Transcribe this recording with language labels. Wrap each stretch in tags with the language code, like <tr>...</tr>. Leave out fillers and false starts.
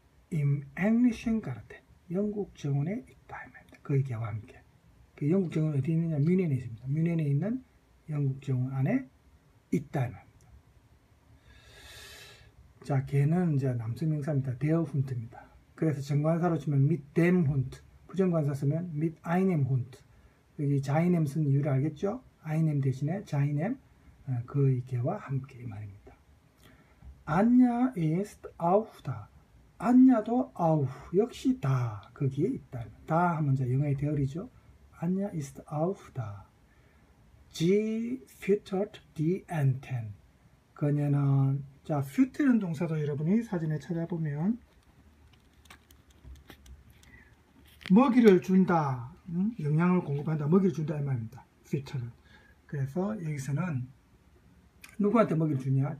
<de>Im Englischen Garten</de> <ko>영국 정원에 있다 합니다. 그의 개와 함께. 그 영국 정원 어디 있느냐? 뮌헨에 있습니다. 뮌헨에 있는 영국 정원 안에 있다 합니다. 자, 개는 이제 남성 명사입니다.</ko> <de>Der Hund</de> <ko>입니다. 그래서 정관사로 치면</ko> <de>mit dem Hund,</de> <ko>부정관사 쓰면</ko> <de>mit einem Hund.</de> <ko>여기 자이넴 쓴 이유를 알겠죠? 아이넴 대신에 자이넴, 그의 개와 함께 이 말입니다.</ko> <de>Anja ist auch da.</de> <ko>안냐도 아우 역시 다 거기에 있다. 다 하면 이제 영어의 대어리죠.</ko> <de>안냐 ist auch da. Sie füttert die Enten.</de> <ko>그녀는 자 füttern 동사도 여러분이 사진에 찾아보면 먹이를 준다, 영양을 공급한다, 먹이를 준다 이 말입니다.</ko> <de>Füttern.</de> <ko>그래서 여기서는 누구한테 먹이를 주냐?</ko>